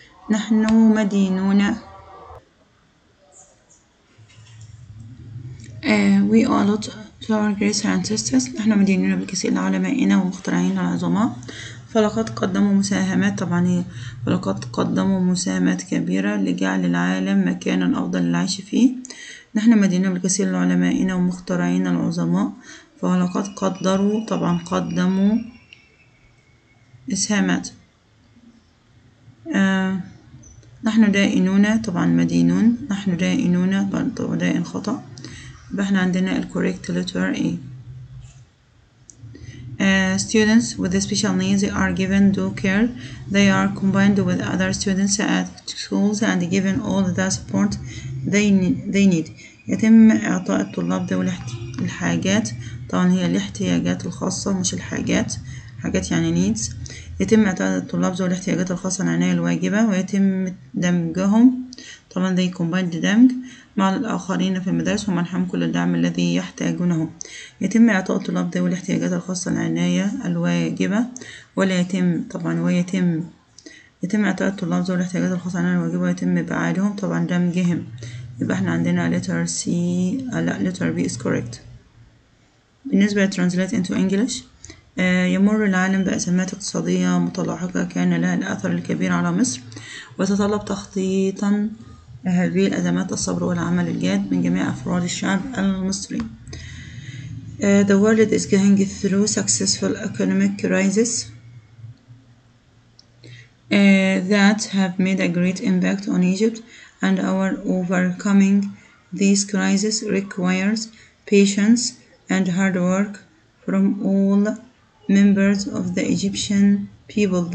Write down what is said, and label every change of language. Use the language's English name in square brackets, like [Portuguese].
[Arabic] نحن مدينون. [English] We owe a lot to our great scientists. [Arabic] نحن مدينون بالكثير لعلمائنا ومخترعين العظماء. فلقد قدموا مساهمات، طبعا فلقد قدموا مساهمات كبيرة لجعل العالم مكانا أفضل للعيش فيه. نحن مدينون بالكثير لعلمائنا ومخترعين العظماء. فلقد قدروا طبعا قدموا إسهامات. نحن دائنون طبعا مدينون. نحن دائنون طبعا دائن خطأ. احنا عندنا الكوريكت لتر A. [English] Students with special needs are given due care. They are combined with other students at schools and given all the support they need. [Arabic] يتم إعطاء الطلاب ذوي الحاجات، طبعا هي الاحتياجات الخاصة مش الحاجات، حاجات يعني needs. يتم إعطاء الطلاب ذوي الاحتياجات الخاصة العناية الواجبة، ويتم دمجهم طبعا [English] they combined [Arabic] دمج مع الآخرين في المدارس ومنحهم كل الدعم الذي يحتاجونه. يتم إعطاء الطلاب ذوي الاحتياجات الخاصة العناية الواجبة، ولا يتم طبعا ويتم يتم إعطاء الطلاب ذوي الاحتياجات الخاصة العناية الواجبة ويتم إبعادهم طبعا دمجهم. يبقى احنا عندنا [English] letter C، [Arabic] لا [English] letter B is correct. [Arabic] بالنسبة لـ [English] translate into English، [Arabic] يمر العالم بأزمات اقتصادية متلاحقة كان لها الأثر الكبير على مصر، وتطلب تخطيطا هذه الأزمات الصبر والعمل الجاد من جميع أفراد الشعب المصري. [English] The world is going through successful economic crises that have made a great impact on Egypt and our overcoming these crises requires patience and hard work from all members of the Egyptian people.